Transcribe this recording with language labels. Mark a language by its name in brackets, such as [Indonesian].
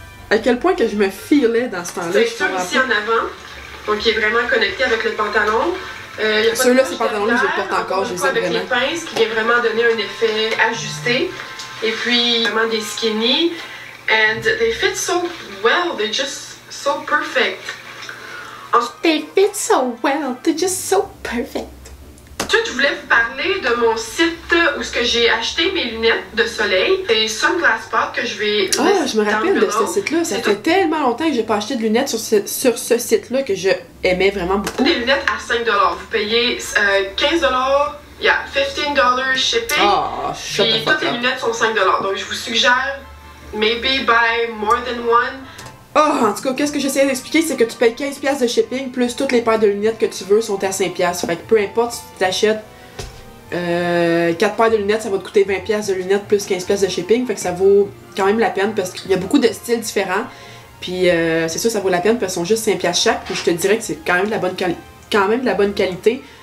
[French] À quel point que je me filais dans ce temps-là? C'est sûr ici en avant, donc il est vraiment connecté avec le pantalon. Ceux-là, ces pantalons-là, je les porte encore, je les aime vraiment. Avec les pinces, qui vient vraiment donner un effet ajusté. Et puis, vraiment des skinny. [English] And they fit so well, they're just so perfect. [French] Ensuite, je voulais vous parler de mon site où ce que j'ai acheté mes lunettes de soleil. C'est Sunglass Spot que je vais mettre dans le je me rappelle de ce site-là. Ça fait tellement longtemps que je n'ai pas acheté de lunettes sur ce site-là que je aimais vraiment beaucoup. Des lunettes à 5$. Vous payez 15$, [English] yeah, $15 shipping. [French] Toutes les lunettes sont 5$. Donc, je vous suggère, [English] maybe buy more than one. [French] En tout cas, qu'est-ce que j'essayais d'expliquer, c'est que tu payes 15$ de shipping, plus toutes les paires de lunettes que tu veux sont à 5$. Fait que peu importe, si tu t'achètes 4 paires de lunettes, ça va te coûter 20$ de lunettes plus 15$ de shipping. Fait que ça vaut quand même la peine parce qu'il y a beaucoup de styles différents. Puis c'est sûr, ça vaut la peine parce qu'elles sont juste 5$ chaque. Puis je te dirais que c'est quand même de la bonne qualité.